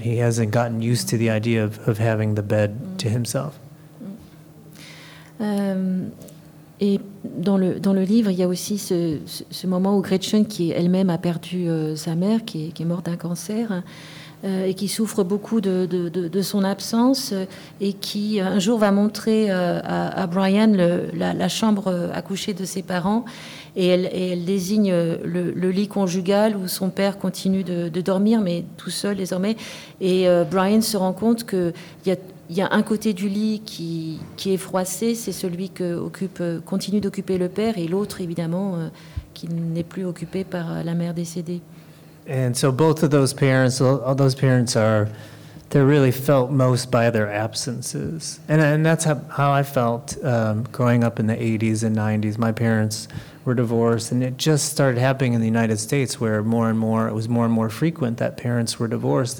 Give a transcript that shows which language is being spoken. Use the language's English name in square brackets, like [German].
[English] He hasn't gotten used to the idea of having the bed to himself. [French] Et dans le livre, il y a aussi ce moment où Gretchen, qui elle-même a perdu sa mère, qui est morte d'un cancer, et qui souffre beaucoup de son absence, et qui un jour va montrer à Brian la chambre à coucher de ses parents. Et elle désigne le lit conjugal où son père continue de dormir, mais tout seul désormais. Et Brian se rend compte qu'il y a un côté du lit qui est froissé, c'est celui que continue d'occuper le père, et l'autre, évidemment, qui n'est plus occupé par la mère décédée. [English] And so both of those parents, all those parents are, they're really felt most by their absences. And that's how I felt growing up in the 80s and 90s. My parents were divorced, and it just started happening in the United States where more and more, it was more and more frequent that parents were divorced.